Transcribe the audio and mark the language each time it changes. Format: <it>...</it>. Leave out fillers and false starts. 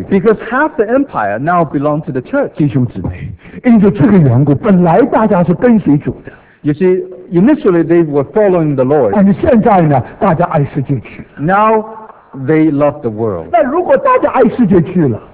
<en>Because half the empire now belongs to the church.</en> <zh>弟兄姊妹，因着这个缘故，本来大家是跟随主的。</zh> <en>You see, initially they were following the Lord.</en> <zh>但是现在呢，大家爱世界去。</zh> <en>Now they love the world.</en> <zh>那如果大家爱世界去了</zh>